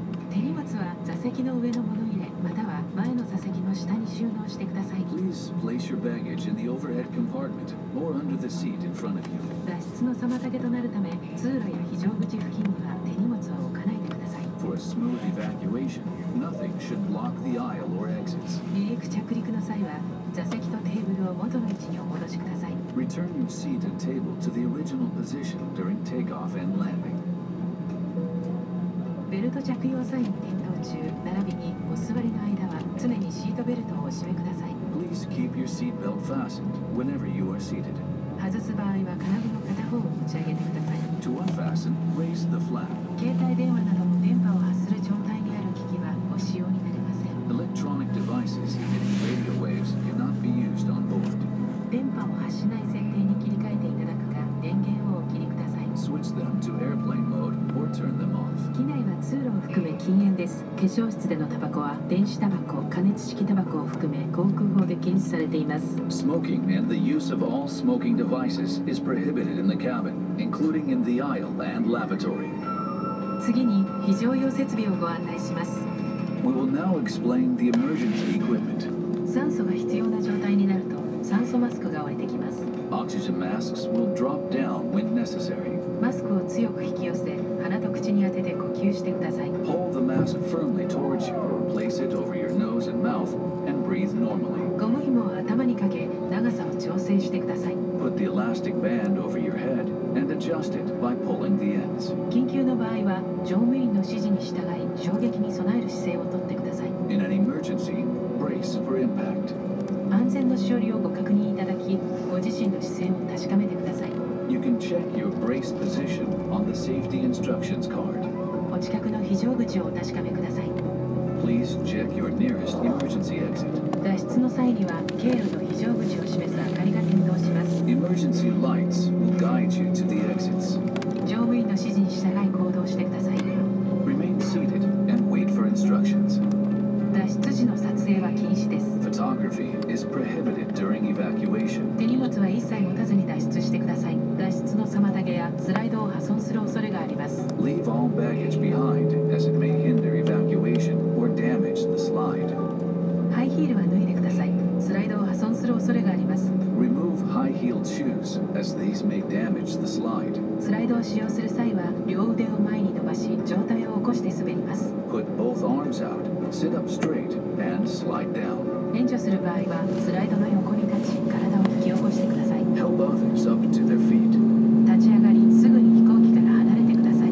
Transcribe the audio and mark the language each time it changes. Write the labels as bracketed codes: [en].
[ja] 手荷物は座席の上の物入れまたは前の座席の下に収納してください。 [en] Please place your baggage in the overhead compartment or under the seat in front of you. [ja] 脱出の妨げとなるため通路や非常口付近には手荷物は置かないでください。 [en] For a smooth evacuation, nothing should block the aisle or exits. [ja] 離陸着陸の際は座席とテーブルを元の位置にお戻しください。 [en] Return your seat and table to the original position during takeoff and landing. [ja] ベルト着用際に点灯中、並びにお座りの間は常にシートベルトをお締めください。 [en] Please keep your seat belt fastened whenever you are seated. [ja] 外す場合は金具の片方を持ち上げてください。 [en] To unfasten, raise the flap. [ja] 携帯電話などの電波を発する状態にある機器はご使用になりません。 [en] Electronic devices emitting radio waves cannot be used on board. [ja] 電波を発しない設定に切り替えていただくか、電源をお切りください。 [en] Switch them to airplane mode or turn them off. [ja] 機内は通路を含め禁煙です。化粧室でのタバコは電子タバコ、加熱式タバコを含め航空法で禁止されています。 [en] Smoking and the use of all smoking devices is prohibited in the cabin, including in the aisle and lavatory. [ja] 次に非常用設備をご案内します。 [en] We will now explain the emergency equipment. [ja] 酸素が必要な状態になると酸素マスクが降りてきます。 [en] Oxygen masks will drop down when necessary. [ja] マスクを強く引き寄せ、鼻と口に当てて呼吸してください。 [en] Hold the mask firmly towards you. Place it over your nose and mouth and breathe normally. [ja] ゴム紐を頭にかけ、長さを調整してください。 [en] Put the elastic band over your head and adjust it by pulling the ends. [ja] 緊急の場合は、乗務員の指示に従い、衝撃に備える姿勢をとってください。 [en] In an emergency, brace for impact. [ja] 安全のしおりをご確認いただき、ご自身の姿勢を確かめてください。 [en] You can check your brace position on the safety instructions card. [ja] お近くの非常口をお確かめください。 [en] Please check your nearest emergency exit. [ja] 脱出の際には、経路の非常口を示す明かりが点灯します。 [en] Emergency lights will guide you to the exits. [ja] 乗務員の指示に従い行動してください。 [en] Remain seated and wait for instructions. [ja] 脱出時の撮影は禁止です。 [en] Photography is prohibited during evacuation. [ja] 手荷物は一切持たずに脱出してください。脱出の妨げやスライドを破損する恐れがあります。 [en] Leave all baggage behind, as it may hinder evacuation or damage the slide. [ja] ハイヒールは脱いでください。スライドを破損する恐れがあります。 [en] Remove high-heeled shoes, as these may damage the slide. [ja] スライドを使用する際は、両腕を前に伸ばし、上体を起こして滑ります。 [en] Put both arms out, sit up straight, and slide down. [ja] 援助する場合は、スライドの横に立ち、体を引き起こしてください。 [en] Help others up to their feet. [ja] 立ち上がり、すぐに飛行機から離れてください。